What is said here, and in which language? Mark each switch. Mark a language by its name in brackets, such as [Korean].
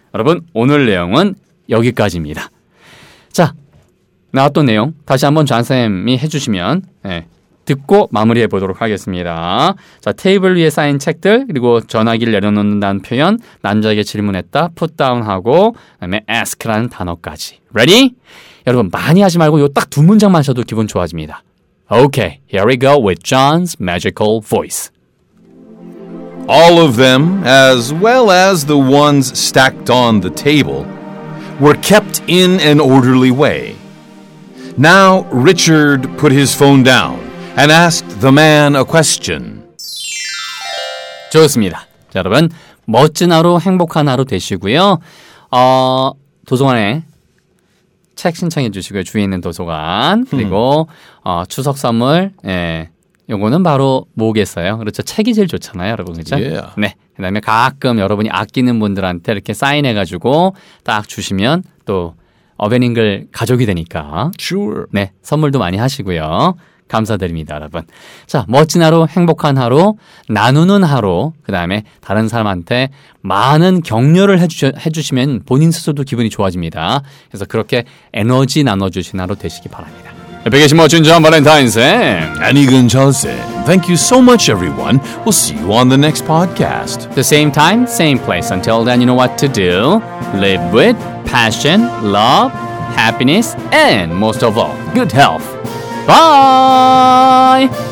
[Korean] 여러분, 오늘 내용은 여기까지입니다. 자, 나왔던 내용 다시 한번 잔쌤이 해주시면, 예. 듣고 마무리해 보도록 하겠습니다. 자, 테이블 위에 쌓인 책들, 그리고 전화기를 내려놓는다는 표현, 남자에게 질문했다, put down 하고, 그 다음에 ask라는 단어까지. [English] Ready? [Korean] 여러분, 많이 하지 말고 요 딱 두 문장만 하셔도 기분 좋아집니다. [English] Okay, here we go with John's magical voice. All of them, as well as the ones stacked on the table, were kept in an orderly way. Now Richard put his phone down and asked the man a question. [Korean] 좋습니다. 자, 여러분, 멋진 하루, 행복한 하루 되시고요. 도서관에 책 신청해 주시고요. 주위에 있는 도서관. 그리고 추석 선물, 예. 요거는 바로 뭐겠어요? 그렇죠. 책이 제일 좋잖아요, 여러분. 그렇죠? [English] Yeah. [Korean] 네. 그다음에 가끔 여러분이 아끼는 분들한테 이렇게 사인해 가지고 딱 주시면 또 어벤잉글 가족이 되니까. [English] Sure. [Korean] 네. 선물도 많이 하시고요. 감사드립니다, 여러분. 자, 멋진 하루, 행복한 하루, 나누는 하루, 그다음에 다른 사람한테 많은 격려를 해 주시면 본인 스스로도 기분이 좋아집니다. 그래서 그렇게 에너지 나눠 주신 하루 되시기 바랍니다. 백이십오 주년 발렌타인스 and 이근 전세. [English] Thank you so much, everyone. We'll see you on the next podcast. The same time, same place. Until then, you know what to do. Live with passion, love, happiness, and most of all, good health. Bye.